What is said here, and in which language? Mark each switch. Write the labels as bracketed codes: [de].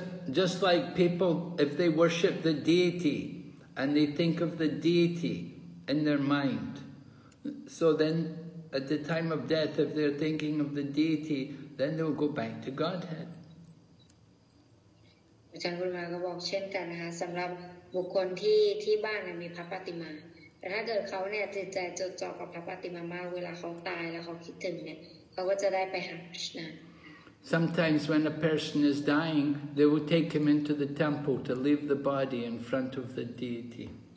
[en] Just like people, if they worship the deity and they think of the deity in their mind, so then at the time of death, if they're thinking of the deity, then they'll go back to Godhead. [th] อาจารย์กุลมาก็บอกเช่นกันนะคะสำหรับบุคคลที่บ้านมีพระปฏิมาแต่ถ้าเกิดเขาเนี่ยจิตใจจดจ่อกับพระปฏิมามากเวลาเขาตายแล้วเขาคิดถึงเนี่ยเขาก็จะได้ไปหาพระชนะ [en] Sometimes when a person is dying, they will take him into the temple to leave the body in front of the deity.